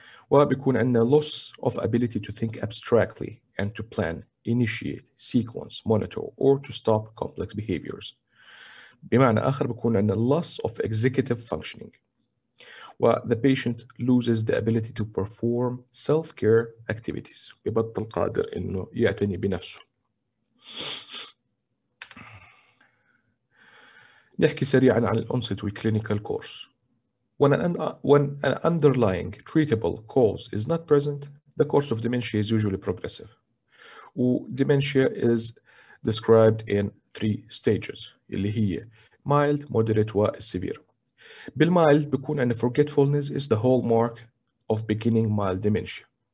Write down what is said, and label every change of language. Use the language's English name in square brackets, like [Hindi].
[Arabic] وبيكون عندنا [English] loss of ability to think abstractly and to plan, initiate, sequence, monitor, or to stop complex behaviors. [Arabic] بمعنى آخر بيكون عندنا [English] loss of executive functioning. The patient loses the ability to perform self-care activities. [Arabic] ببطل قادر إنه يعتني بنفسه. نحكي سريعاً عن الأونست وكلينيكال كورس. [English] When an underlying treatable cause is not present, the course of dementia is usually progressive. Dementia is described in three stages, [Arabic] اللي هي [English] mild, moderate, and severe. [Arabic] بالمايلد بكون عندنا [English] forgetfulness is the hallmark of beginning mild dementia.